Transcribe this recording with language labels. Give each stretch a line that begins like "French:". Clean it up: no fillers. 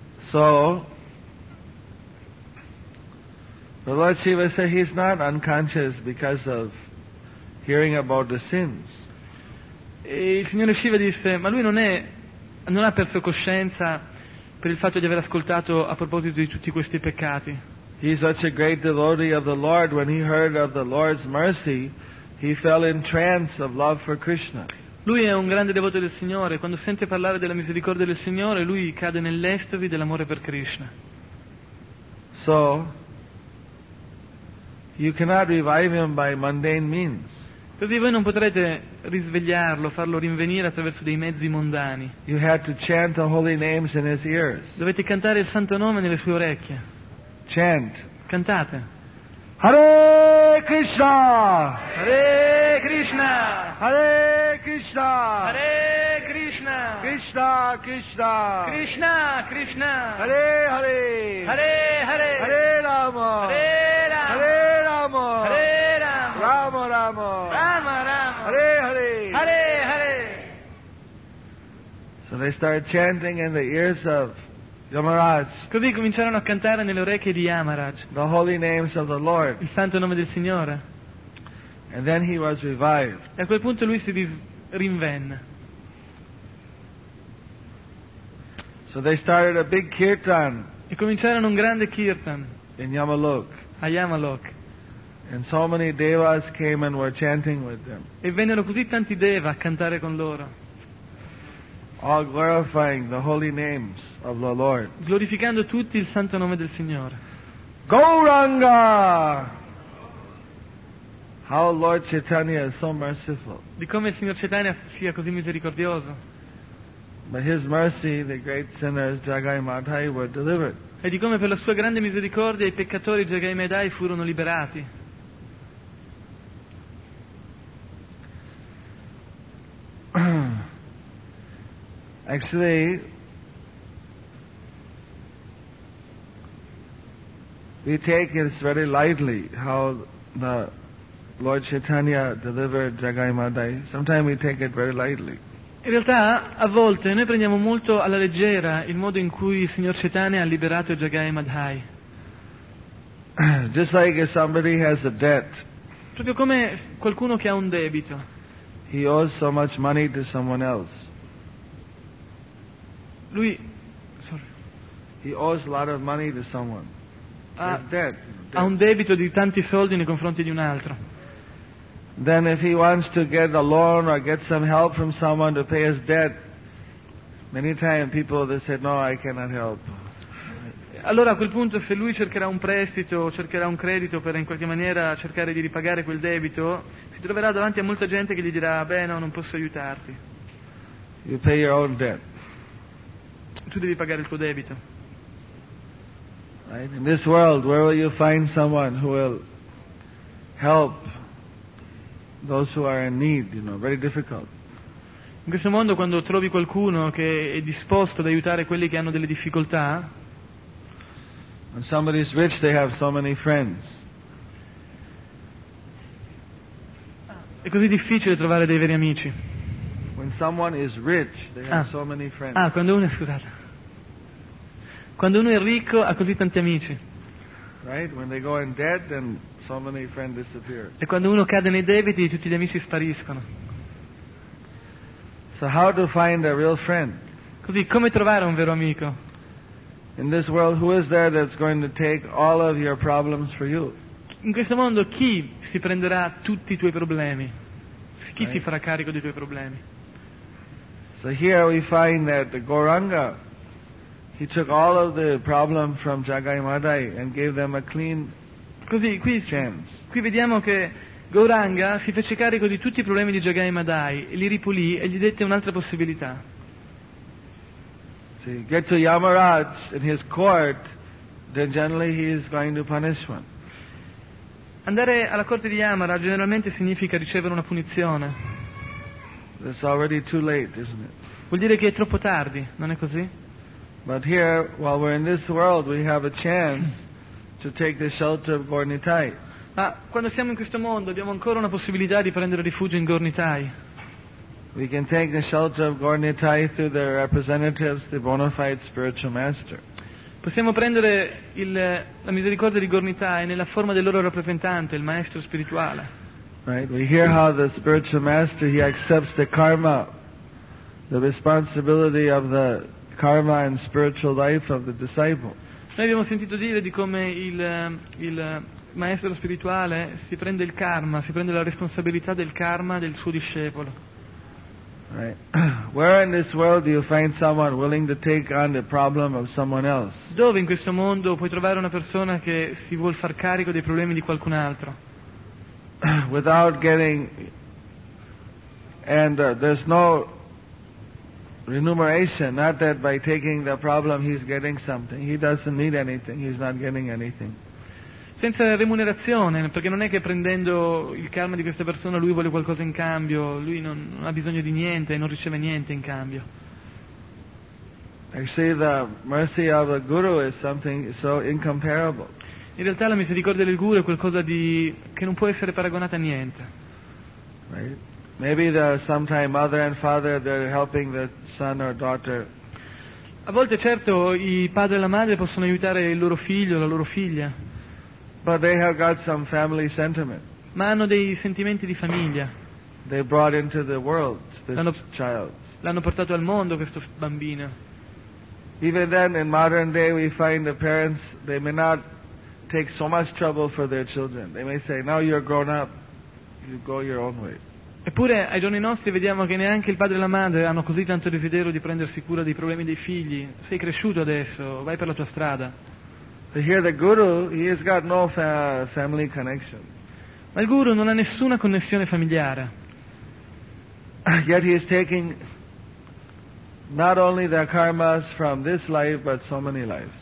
English: So the Lord Shiva said he's not unconscious because of hearing about the sins.
Italian: E il signore Shiva disse, ma lui non ha perso coscienza per il fatto di aver ascoltato a proposito di tutti questi peccati.
English: He's such a great devotee of the Lord, when he heard of the Lord's mercy, he fell in trance of love for Krishna.
Italian: Lui è un grande devoto del Signore, quando sente parlare della misericordia del Signore, lui cade nell'estasi dell'amore per Krishna.
English: So you cannot revive him by mundane means.
Italian: Così voi non potrete risvegliarlo, farlo rinvenire attraverso dei mezzi mondani.
English: You had to chant the holy names in his ears.
Italian: Dovete cantare il santo nome nelle sue orecchie.
English: Chant.
Italian: Cantate.
Sanskrit: Hare Krishna! Hare Krishna! Hare Krishna! Hare Krishna! Krishna Krishna! Krishna Krishna! Hare Hare! Hare Hare! Hare Rama! Hare Rama! Hare Rama! Hare Rama! Rama Rama! Rama Rama! Hare Hare! Hare Hare!
English: So they started chanting in the ears of Yamaraj.
Italian: Così cominciarono a cantare nelle orecchie di Yamaraj.
English: The holy names of the Lord.
Italian: Il santo nome del Signore.
English: And then he was revived.
Italian: E a quel punto lui si rinvenne.
English: So they started a big kirtan.
Italian: E cominciarono un grande kirtan.
English: In Yamalok.
Italian: A Yamalok.
English: And so many devas came and were chanting with them.
Italian: E vennero così tanti deva a cantare con loro.
English: All glorifying the holy names of the Lord.
Italian: Glorificando tutti il santo nome del Signore.
English: Gauranga! How Lord Chaitanya is so merciful.
Italian: Di come il Signor Chaitanya sia così misericordioso.
English: By his mercy, the great sinners Jagai Madhai were delivered.
Italian: E di come per la sua grande misericordia i peccatori Jagai Madhai furono liberati.
English: Actually, we take this very lightly, how the Lord Chaitanya delivered Jagai Madai. Sometimes we take it very lightly.
Italian: In realtà, a volte, noi prendiamo molto alla leggera il modo in cui il Signor Chaitanya ha liberato Jagai Madai.
English: Just like if somebody has a debt.
Italian: Proprio come qualcuno che ha un debito.
English: He owes so much money to someone else. Lui, he owes a lot of money to someone. Debt.
Italian: Ha un debito di tanti soldi nei confronti di un altro.
English: Then if he wants to get a loan or get some help from someone to pay his debt, many times people they said, no, I cannot help.
Italian: Allora a quel punto, se lui cercherà un prestito, cercherà un credito per in qualche maniera cercare di ripagare quel debito, si troverà davanti a molta gente che gli dirà: beh, no, non posso aiutarti.
English: You pay your own debt.
Italian: Tu devi pagare il tuo debito.
English: Right? In this world, where will you find someone who will help those who are in need? You know, very difficult.
Italian: In questo mondo, quando trovi qualcuno che è disposto ad aiutare quelli che hanno delle difficoltà,
English: when somebody is rich, they have so many friends.
Italian: È così difficile trovare dei veri amici.
English: When someone is rich, they have so many friends.
Italian: Ah, quando uno è, scusate. Quando uno è ricco, ha così tanti amici.
English: Right? When they go in debt, then so many friends disappear.
Italian: E quando uno cade nei debiti, tutti gli amici spariscono.
English: So how to find a real friend?
Italian: Così, come trovare un vero amico?
English: In this world, who is there that's going to take all of your problems for you?
Italian: In questo mondo, chi si prenderà tutti i tuoi problemi? Chi
English: right.
Italian: si farà carico dei tuoi problemi?
English: So here we find that the Gauranga, he took all of the problem from Jagai Madai and gave them a clean
Italian: Così, qui,
English: chance.
Italian: Qui vediamo che Gauranga si fece carico di tutti i problemi di Jagai Madai, li ripulì e gli dette un'altra possibilità.
English: See, get to Yamaraj in his court, then generally he is going to punish one.
Italian: Andare alla corte di Yamaraj generalmente significa ricevere una punizione.
English: It's already too late, isn't it?
Italian: Vuol dire che è troppo tardi, non è così?
English: But here, while we're in this world, we have a chance to take the shelter of Gaur Nitai.
Italian: Ma quando siamo in questo mondo abbiamo ancora una possibilità di prendere rifugio in Gaur Nitai.
English: We can take the shelter of Gaur Nitai through their representatives, the bona fide spiritual master.
Italian: Possiamo prendere la misericordia di Gaur Nitai nella forma del loro rappresentante, il maestro spirituale.
English: Right? We hear how the spiritual master, he accepts the karma, the responsibility of the karma and spiritual life of the disciple.
Italian: Noi abbiamo sentito dire di come il maestro spirituale si prende il karma, si prende la responsabilità del karma del suo discepolo.
English: Right. Where in this world do you find someone willing to take on the problem of someone else?
Italian: Dove in questo mondo puoi trovare una persona che si vuol far carico dei problemi di qualcun altro?
English: Without getting and there's no remuneration, not that by taking the problem he's getting something. He doesn't need anything, he's not getting anything.
Italian: Senza remunerazione, perché non è che prendendo il karma di questa persona lui vuole qualcosa in cambio, lui non ha bisogno di niente e non riceve niente in cambio.
English: Actually, the mercy of a guru is something so incomparable.
Italian: In realtà la misericordia del guru è qualcosa di che non può essere paragonata a niente.
English: Right? Maybe the sometime mother and father they're helping the son or daughter.
Italian: A volte certo i padri e la madre possono aiutare il loro figlio o la loro figlia.
English: But they have got some family sentiment.
Italian: Ma hanno dei sentimenti di famiglia.
English: They brought into the world this child.
Italian: L'hanno portato al mondo questo bambino.
English: Even then, in modern day, we find the parents they may not take so much trouble for their children. They may say, "Now you're grown up, you go your own way."
Italian: Eppure ai giorni nostri vediamo che neanche il padre e la madre hanno così tanto desiderio di prendersi cura dei problemi dei figli. Sei cresciuto adesso, vai per la tua strada.
English: Here the guru, he has got no family connection.
Italian: Ma il guru non ha nessuna connessione familiare.
English: Yet he is taking not only the karmas from this life, but so many lives.